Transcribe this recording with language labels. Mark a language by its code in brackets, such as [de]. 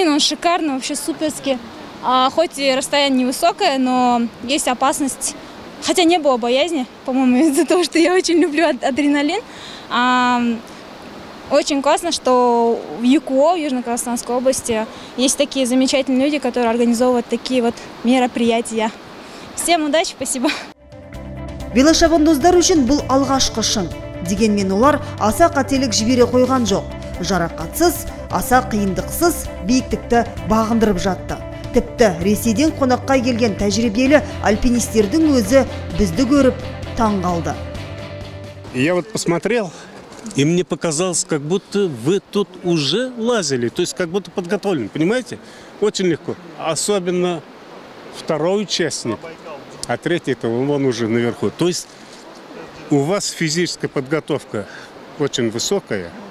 [ru] Он шикарный, вообще суперски. Хоть и расстояние невысокое, но есть опасность. Хотя не было боязни, по-моему, из-за того, что я очень люблю адреналин. Очень классно, что в ЮКУО, в Южно-Казахстанской области, есть такие замечательные люди, которые организовывают такие вот мероприятия. Всем удачи, спасибо. [kk] Велошабандоздар үшін бұл алғашқы шын. Дегенмен олар аса қателік жібере қойған жоқ. Жарақатсыз, аса қиындықсыз биіктікті бағындырып жатты. Тіпті Ресейден қонаққа келген тәжірибелі альпинистердің өзі бізді көріп таң қалды. [ru] Я вот посмотрел, и мне показалось, как будто вы тут уже лазили, то есть как будто подготовлен, понимаете? Очень легко. Особенно второй участник, а третий это вон уже наверху. То есть у вас физическая подготовка очень высокая.